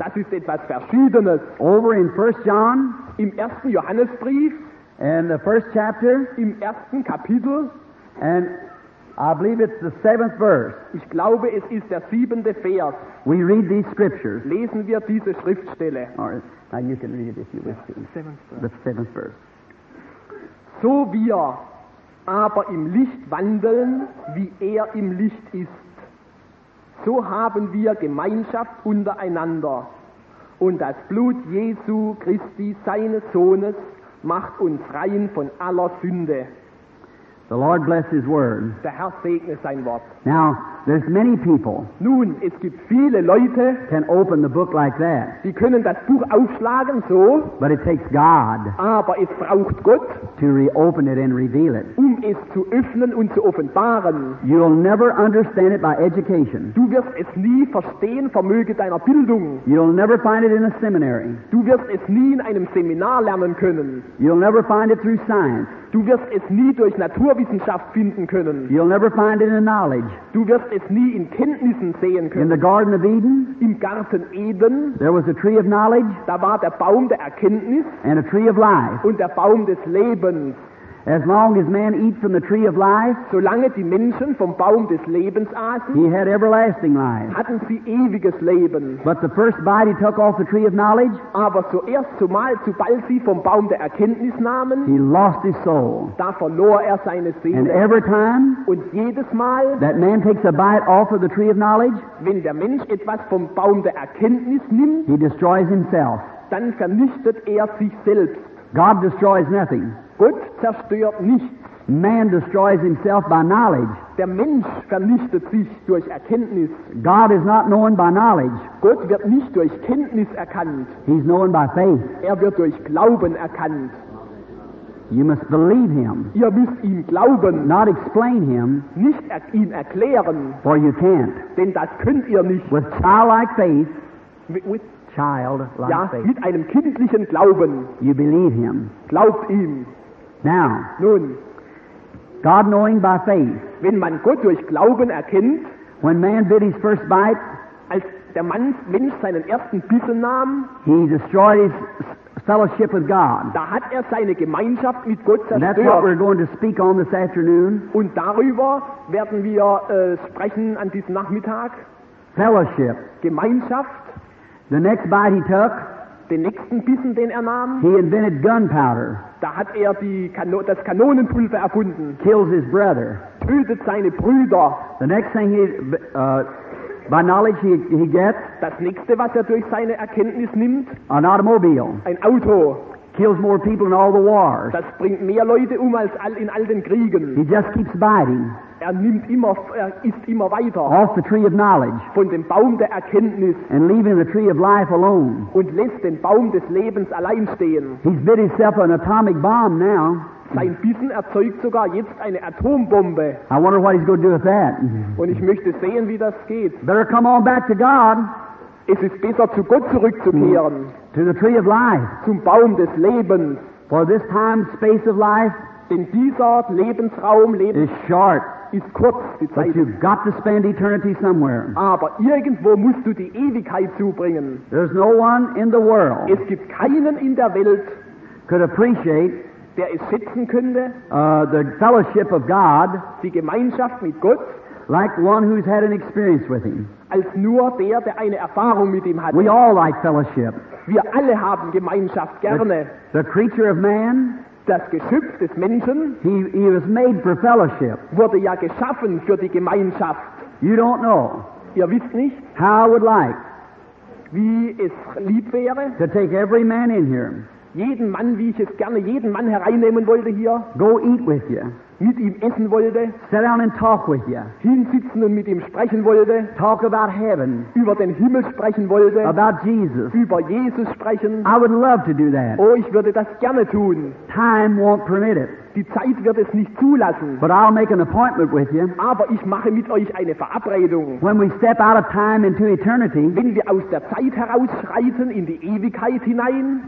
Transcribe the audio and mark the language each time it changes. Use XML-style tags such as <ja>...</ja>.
<de>Das ist etwas Verschiedenes.</de> <en>Over in 1 John,</en> <de>im ersten Johannesbrief,</de> <en>and the first chapter,</en> <de>im ersten Kapitel,</de> <en>and I believe it's the seventh verse.</en> <de>Ich glaube, es ist der siebente Vers.</de> <en>We read these scriptures.</en> <de>Lesen wir diese Schriftstelle.</de> <en>All right. Now you can read it if you wish to. The seventh verse.</en> <de>So wir aber im Licht wandeln, wie er im Licht ist, so haben wir Gemeinschaft untereinander. Und das Blut Jesu Christi, seines Sohnes, macht uns rein von aller Sünde.</de> <en>The Lord bless His word.</en> <de>Der Herr segne sein Wort.</de> <en>Now, there's many people.</en> <de>Nun, es gibt viele Leute.</de> <en>Can open the book like that.</en> <de>Die können das Buch aufschlagen so.</de> <en>But it takes God.</en> <de>Aber es braucht Gott.</de> <en>To reopen it and reveal it.</en> <de>Es zu öffnen und zu offenbaren.</de> <en>You'll never understand it by education.</en> <de>Du wirst es nie verstehen vermöge deiner Bildung.</de> <en>You'll never find it in a seminary.</en> <de>Du wirst es nie in einem Seminar lernen können.</de> <en>You'll never find it through science.</en> <de>Du wirst es nie durch Naturwissenschaft finden können.</de> <en>You'll never find it in knowledge.</en> <de>Du wirst es nie in Kenntnissen sehen können.</de> <en>In the Garden of Eden,</en> <de>im Garten Eden,</de> <en>there was a tree of knowledge,</en> <de>da war der Baum der Erkenntnis,</de> <en>and a tree of life,</en> <de>und der Baum des Lebens.</de> <en>As long as man eats from the tree of life,</en> <de>solange die Menschen vom Baum des Lebens aßen,</de> <en>he had everlasting life.</en> <de>Hatten sie ewiges Leben.</de> <en>But the first bite he took off the tree of knowledge,</en> <de>aber zuerst, zumal, sobald sie vom Baum der Erkenntnis nahmen,</de> <en>he lost his soul.</en> <de>Da verlor er seine Seele.</de> <en>And every time,</en> <de>und jedes Mal,</de> <en>that man takes a bite off of the tree of knowledge,</en> <de>wenn der Mensch etwas vom Baum der Erkenntnis nimmt,</de> <en>he destroys himself.</en> <de>Dann vernichtet er sich selbst.</de> <en>God destroys nothing.</en> <de>Gott zerstört nichts.</de> <en>Man destroys himself by knowledge.</en> <de>Der Mensch vernichtet sich durch Erkenntnis.</de> <en>God is not known by knowledge.</en> <de>Gott wird nicht durch Kenntnis erkannt.</de> <en>He's known by faith.</en> <de>Er wird durch Glauben erkannt.</de> <en>You must believe him.</en> <de>Ihr müsst ihm glauben.</de> <en>Not explain him.</en> <de>Nicht ihn erklären.</de> <en>For you can't.</en> <de>Denn das könnt ihr nicht.</de> <en>With childlike faith. With childlike</en> <de>ja,</de> <en>faith.</en> <de>Mit einem kindlichen Glauben.</de> <en>You believe him.</en> <de>Glaubt ihm.</de> <en>Now,</en> <de>nun,</de> <en>God knowing by faith,</en> <de>wenn man Gott durch Glauben erkennt,</de> <en>when man bit his first bite,</en> <de>als der Mann, Mensch seinen ersten Bissen nahm,</de> <en>he destroyed his fellowship with God.</en> <de>Da hat er seine Gemeinschaft mit Gott zerstört.</de> <en>And that's what we're going to speak on this afternoon.</en> <de>Und darüber werden wir sprechen an diesem Nachmittag.</de> <en>Fellowship.</en> <de>Gemeinschaft.</de> <en>The next bite he took,</en> <de>den nächsten Bissen, den er nahm,</de> <en>he invented gunpowder.</en> <de>Da hat er das Kanonenpulver erfunden.</de> <en>Kills his brother.</en> <de>Tötet seine Brüder.</de> <en>The next thing he, by knowledge he gets,</en> <de>das nächste, was er durch seine Erkenntnis nimmt,</de> <en>an automobile.</en> <de>Ein Auto.</de> <en>Kills more people in all the wars.</en> <de>Das bringt mehr Leute als in all den Kriegen.</de> <en>He just keeps biting.</en> <de>Er isst immer weiter.</de> <en>Off the tree of knowledge.</en> <de>Von dem Baum der Erkenntnis.</de> <en>And leaving the tree of life alone.</en> <de>Und lässt den Baum des Lebens allein stehen.</de> <en>He's bit himself an atomic bomb now.</en> <de>Sein Bissen erzeugt sogar jetzt eine Atombombe.</de> <en>I wonder what he's going to do with that.</en> <de>Und ich möchte sehen, wie das geht.</de> <en>Better come on back to God.</en> <de>Es ist besser, zu Gott zurückzukehren.</de> <en>To the tree of life.</en> <de>Zum Baum des Lebens.</de> <en>For this time, space of life.</en> <de>Denn dieser Lebensraum, Leben</de> <en>is short.</en> <de>Ist kurz, die Zeit.</de> <en>But you've got to spend eternity somewhere.</en> <de>Aber irgendwo musst du die Ewigkeit zubringen.</de> <en>There's no one in the world.</en> <de>Es gibt keinen in der Welt.</de> <en>Could appreciate.</en> <de>Der es schätzen könnte.</de> <en>The fellowship of God.</en> <de>Die Gemeinschaft mit Gott.</de> <en>Like one who's had an experience with him.</en> <de>Als nur der, der eine Erfahrung mit ihm hatte.</de> <en>We all like fellowship.</en> <de>Wir alle haben Gemeinschaft gerne.</de> <en>The creature of man,</en> <de>das Geschöpf des Menschen,</de> <en>he was made for fellowship.</en> <de>Wurde ja geschaffen für die Gemeinschaft.</de> <en>You don't know.</en> <de>Ihr wisst nicht.</de> <en>How I would like.</en> <de>Wie es lieb wäre.</de> <en>To take every man in here.</en> <de>Jeden Mann, wie ich es gerne jeden Mann hereinnehmen wollte hier.</de> <en>Go eat with you.</en> <de>mit ihm essen wollte,</de> <en>sit down and talk with you,</en> <de>hinsitzen und mit ihm sprechen wollte,</de> <en>talk about heaven,</en> <de>über den Himmel sprechen wollte,</de> <en>about Jesus,</en> <de>über Jesus sprechen,</de> <en>I would love to do that.</en> <de>Oh, ich würde das gerne tun.</de> <en>Time won't permit it.</en> <de>Die Zeit wird es nicht zulassen.</de> <en>But I'll make an appointment with you.</en> <de>Aber ich mache mit euch eine Verabredung.</de> <en>When we step out of time into eternity,</en> <de>wenn wir aus der Zeit herausschreiten in die Ewigkeit hinein,</de>